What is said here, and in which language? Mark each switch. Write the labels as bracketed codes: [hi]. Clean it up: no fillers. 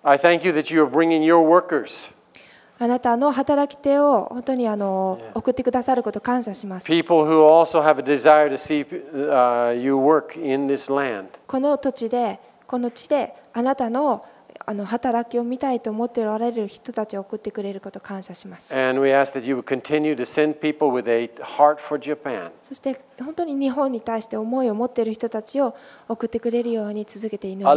[en] I thank you that you are bringing your workers. [ja] あなたの働き手を本当に送ってくださることを感謝します。 [en] People who also have a desire to see you work in this land. [ja] この土地でこの地であなたの働きを見たいと思っておられる人たちを送ってくれることを感謝します。 [en] And we ask that you would continue to send people with a heart for Japan. [ja] そして本当に日本に対して思いを持っている人たちを送ってくれるように続けて祈ります。